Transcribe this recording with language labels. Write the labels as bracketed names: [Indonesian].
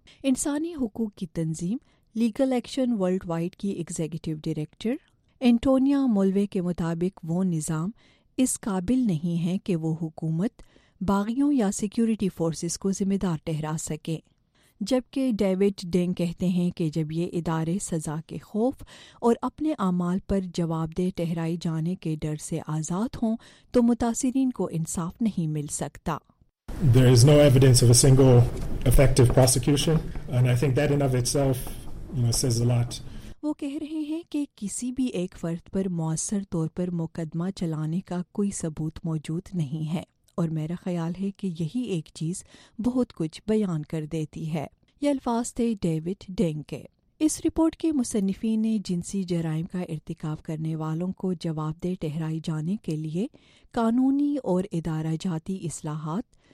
[Urdu] انسانی حقوق کی تنظیم لیگل ایکشن ورلڈ وائڈ کی ایگزیکٹو ڈائریکٹر انٹونیا مولوے کے مطابق وہ نظام اس قابل نہیں ہے کہ وہ حکومت، باغیوں یا سیکیورٹی فورسز کو ذمہ دار ٹھہرا سکے. جبکہ ڈیوڈ ڈینگ کہتے ہیں کہ جب یہ ادارے سزا کے خوف اور اپنے اعمال پر جواب دہ ٹھہرائے جانے کے ڈر سے آزاد ہوں تو متاثرین کو انصاف نہیں مل سکتا. [English] There is no evidence of a single effective prosecution, and I think that in of itself, you know, says a lot. [Urdu] وہ کہہ رہے ہیں کہ کسی بھی ایک فرد پر مؤثر طور پر مقدمہ چلانے کا کوئی ثبوت موجود نہیں ہے، اور میرا خیال ہے کہ یہی ایک چیز بہت کچھ بیان کر دیتی ہے. یہ الفاظ تھے ڈیوڈ ڈینگ کے. اس رپورٹ کے مصنفین نے جنسی جرائم کا ارتکاب کرنے والوں کو جواب دہ ٹھہرائے جانے کے لیے قانونی اور ادارہ جاتی اصلاحات،